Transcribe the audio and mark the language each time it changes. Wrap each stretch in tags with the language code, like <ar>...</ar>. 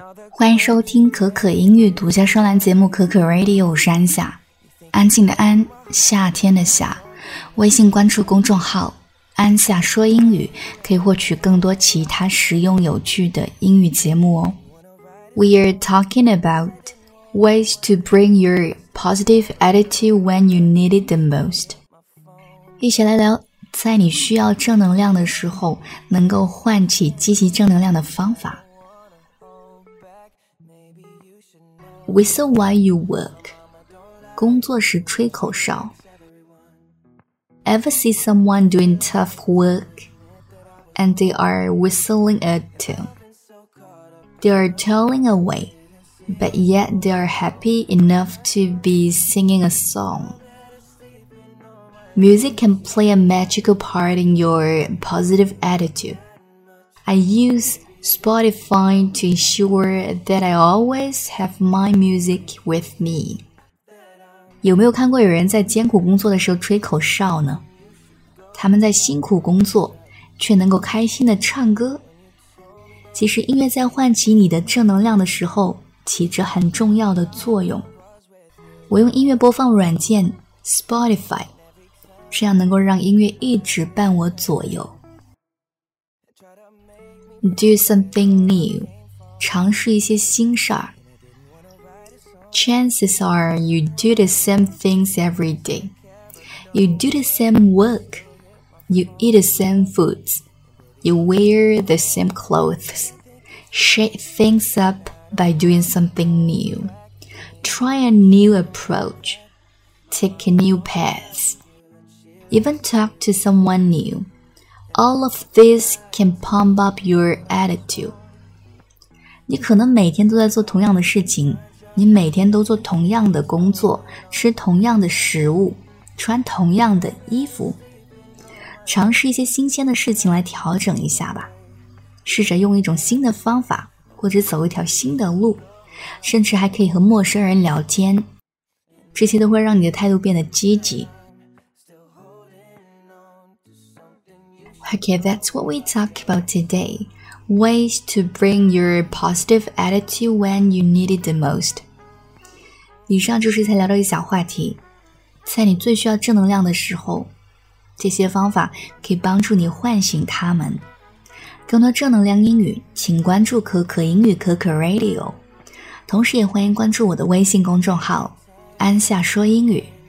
<zh>欢迎收听可可英语独家专栏节目可可 Radio， 我是安夏，安静的安，夏天的夏。微信关注公众号安夏说英语，可以获取更多其他实用有趣的英语节目哦。</zh> <en>We are talking about ways to bring your positive attitude when you need it the most。</en> <zh>一起来聊在你需要正能量的时候能够唤起积极正能量的方法。</zh> <en>Whistle while you work，</en> <zh>工作时吹口哨。</zh> <en>Ever see someone doing tough work and they are whistling a tune? They are toiling away, but yet they are happy enough to be singing a song. Music can play a magical part in your positive attitude. I use Spotify to ensure that I always have my music with me.</en> <zh>有没有看过有人在艰苦工作的时候吹口哨呢？他们在辛苦工作，却能够开心地唱歌。其实音乐在唤起你的正能量的时候，起着很重要的作用。我用音乐播放软件 Spotify， 这样能够让音乐一直伴我左右。</zh> <en>Do something new，</en> <zh>尝试一些新事儿。</zh> <en>Chances are you do the same things every day. You do the same work. You eat the same foods, you wear the same clothes, shake things up by doing something new, try a new approach, take a new path, even talk to someone new. All of this can pump up your attitude.</en> <zh>你可能每天都在做同样的事情，你每天都做同样的工作，吃同样的食物，穿同样的衣服。尝试一些新鲜的事情来调整一下吧，试着用一种新的方法，或者走一条新的路，甚至还可以和陌生人聊天，这些都会让你的态度变得积极。</zh> <en>Okay, that's what we talk about today. Ways to bring your positive attitude when you need it the most.</en> <zh>以上就是才聊到一小话题，在你最需要正能量的时候，这些方法可以帮助你唤醒他们。更多正能量英语，请关注可可英语可可 Radio， 同时也欢迎关注我的微信公众号安夏说英语。</zh>